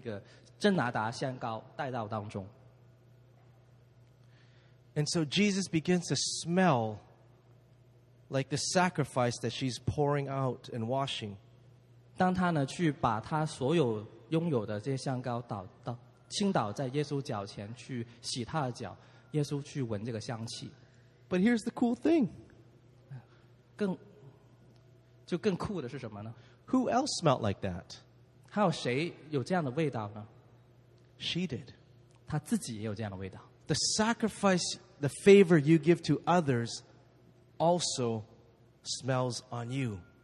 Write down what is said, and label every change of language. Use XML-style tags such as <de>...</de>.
<zh>但是她呢,是先看神的国为重要,她就把她过去一年的工资所买来的那个真拿达香膏带到当中。</zh> <en>And so Jesus begins to smell like the sacrifice that she's pouring out and washing.</en> <zh>当她呢去把她所有拥有的这些香膏倒倾倒在耶稣脚前去洗她的脚,耶稣去闻这个香气。</zh> <en>But here's the cool thing.</en> <zh>更酷的是什么呢?</zh> <en>Who else smelled like that?</en> <zh>还有谁有这样的味道呢?</zh> <en>She did.</en> <zh>她自己也有这样的味道。</zh> <en>The sacrifice, the favor you give to others also smells on you.</en>